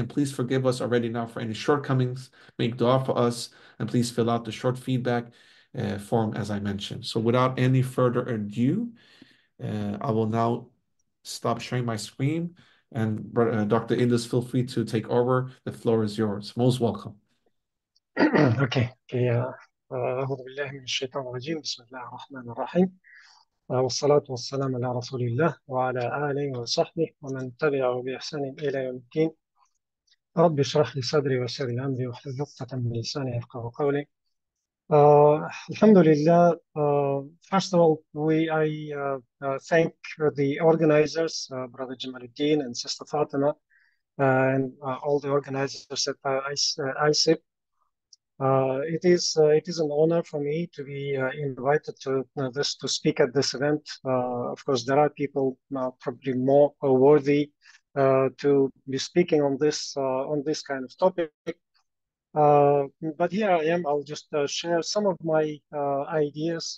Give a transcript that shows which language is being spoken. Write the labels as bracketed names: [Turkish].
[English] And please forgive us already now for any shortcomings. Make dua for us. And please fill out the short feedback form, as I mentioned. So without any further ado, I will now stop sharing my screen. And Dr. Ildus, feel free to take over. The floor is yours. Most welcome. [Arabic] اوكي يا اعوذ بالله من الشيطان الرجيم بسم الله الرحمن الرحيم والصلاه والسلام على رسول الله وعلى اله وصحبه ومن تبعه باحسان الى يوم الدين رب اشرح لي صدري ويسر لي امري واحلل عقده من لساني يفقهوا قولي الحمد لله [English] first of all I thank the organizers brother Jamal al-Din and sister Fatima and all the organizers at ISIP. It is an honor for me to be invited to this to speak at this event. Of course, there are people probably more worthy to be speaking on this kind of topic. But here I am. I'll just share some of my ideas.